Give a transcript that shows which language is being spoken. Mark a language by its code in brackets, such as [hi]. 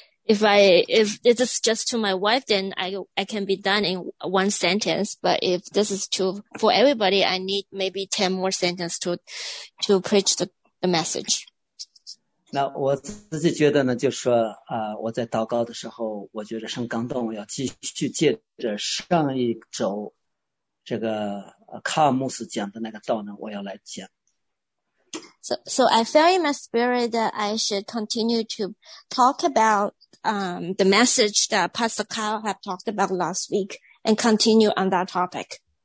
[en] If this is just to my wife, then I can be done in one sentence. But if this is to for everybody, I need maybe 10 more sentences to preach the message. [zh] 那我自己觉得呢，就是说，我在祷告的时候，我觉得神感动，我要继续借着上一周这个卡尔牧师讲的那个道呢，我要来讲。 [en] So I felt in my spirit that I should continue to talk about the message that Pastor Kyle had talked about last week and continue on that topic.